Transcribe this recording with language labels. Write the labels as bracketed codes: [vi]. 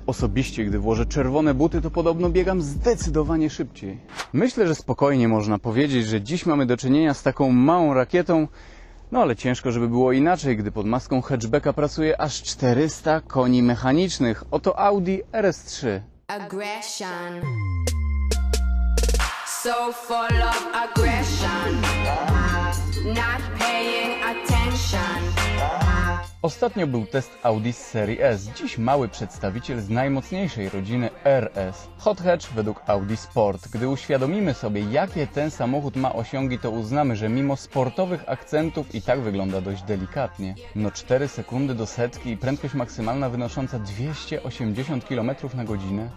[pl] Osobiście, gdy włożę czerwone buty, to podobno biegam zdecydowanie szybciej. Myślę, że spokojnie można powiedzieć, że dziś mamy do czynienia z taką małą rakietą. No ale ciężko, żeby było inaczej, gdy pod maską hatchbacka pracuje aż 400 koni mechanicznych. Oto Audi RS3. [en] Aggression. So full of aggression, not paying attention. [pl] Ostatnio był test Audi z serii S. Dziś mały przedstawiciel z najmocniejszej rodziny RS. Hot hatch według Audi Sport. Gdy uświadomimy sobie, jakie ten samochód ma osiągi, to uznamy, że mimo sportowych akcentów i tak wygląda dość delikatnie. No 4 sekundy do setki i prędkość maksymalna wynosząca 280 km na godzinę.